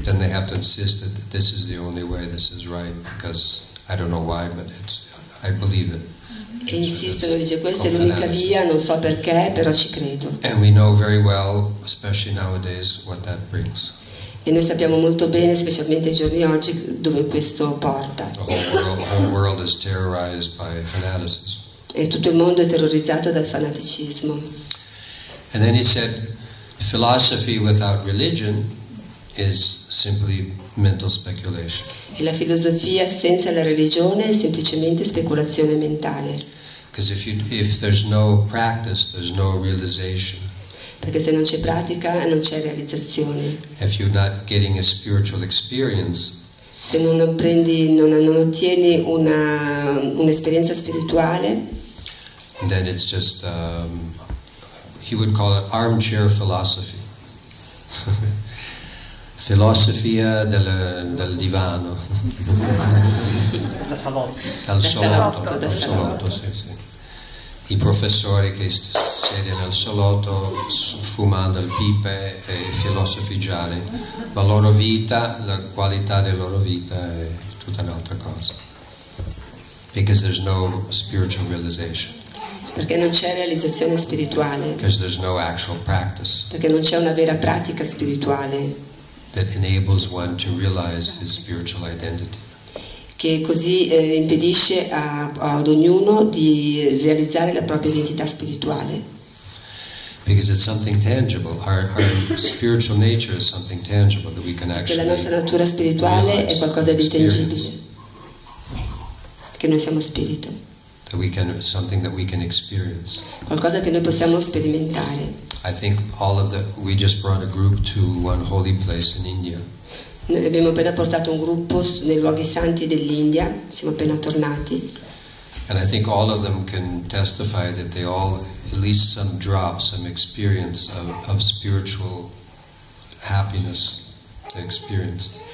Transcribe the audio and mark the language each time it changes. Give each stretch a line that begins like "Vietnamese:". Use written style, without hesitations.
English: Then they have to insist that this is the only way, this is right, because I don't know why, but it's, I believe it.
Italian: E insistono, dice, questa è l'unica via, non so perché, però ci credo.
English: And we know very well, especially nowadays, what that brings.
Italian: E noi sappiamo molto bene, specialmente i giorni oggi, dove questo porta.
English: The whole world is terrorized by fanaticism.
Italian: E tutto il mondo è terrorizzato dal fanaticismo.
English: And then he said, philosophy without religion is simply mental speculation.
Italian: E la filosofia senza la religione è semplicemente speculazione mentale.
English: Because if there's no practice, there's no realization.
Italian: perché se non c'è pratica non c'è realizzazione.
English: If you're not getting a spiritual experience,
Italian: se non prendi, non ottieni un'esperienza spirituale,
English: then it's just he would call it armchair philosophy.
Italian: Filosofia del divano. Dal salotto. Sì. I professori che siedono al salotto fumando il pipe e filosofiare, ma la loro vita, la qualità della loro vita è tutta un'altra cosa.
English: Because there's no spiritual realization.
Italian: Perché non c'è realizzazione spirituale.
English: Because there's no actual practice.
Italian: Perché non c'è una vera pratica spirituale.
English: That enables one to realize his spiritual identity.
Italian: Che così impedisce ad ognuno di realizzare la propria identità spirituale.
English: Because it's something tangible. Our spiritual nature is something tangible that we can actually realize.
Italian: La nostra natura spirituale è qualcosa di tangibile. Che noi siamo spirito.
English: That we can, something that we can experience.
Italian: Qualcosa che noi possiamo sperimentare.
English: I think all of the, we just brought a group to one holy place in India.
Italian: Noi abbiamo appena portato un gruppo nei luoghi santi dell'India, siamo appena tornati.
English: And I think all of them can testify that they all, at least some drop, some experience of spiritual happiness they experienced.